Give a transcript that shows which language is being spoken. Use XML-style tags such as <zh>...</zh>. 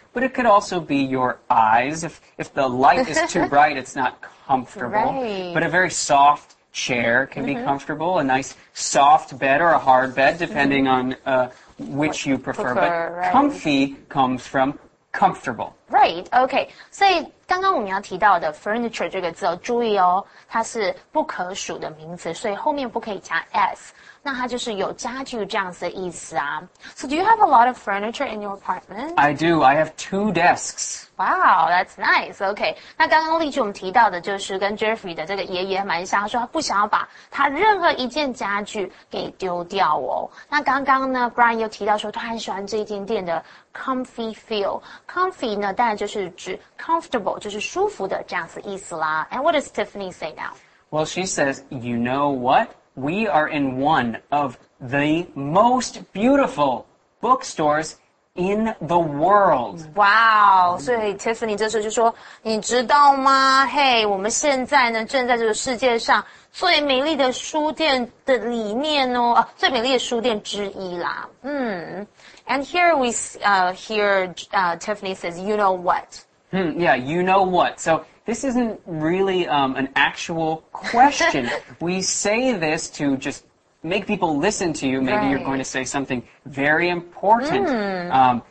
<en>But it could also be your eyes. If the light is too bright, it's not comfortable. Right. But a very soft chair can be comfortable. A nice soft bed or a hard bed, depending on which you prefer. But comfy comes from comfortable. Right, okay. So...</en> <zh>刚刚我们要提到的 furniture 这个字哦，注意哦，它是不可数的名词，所以后面不可以加 s， 那它就是有家具这样子的意思啊。</zh> <en>So do you have a lot of furniture in your apartment? I do. I have two desks. Wow, that's nice. Okay.</en> <zh>那刚刚例句我们提到的就是跟 Jeffrey 的这个爷爷蛮像，他说他不想要把他任何一件家具给丢掉哦。那刚刚呢 ，Brian 又提到说他很喜欢这间店的 comfy feel。 Comfy 呢，当然就是指 comfortable。就是舒服的这样子意思啦。</zh> <en>And what does Tiffany say now? Well, she says, you know what? We are in one of the most beautiful bookstores in the world.</en> <zh>Wow! 所以 Tiffany 这时候就说，你知道吗？嘿，我们现在呢，正在这个世界上最美丽的书店的里面哦，啊，最美丽的书店之一啦。</zh> <en>And here we Tiffany says, you know what? Yeah, you know what? So this isn't really an actual question. We say this to just make people listen to you. Maybe you're going to say something very important.</en>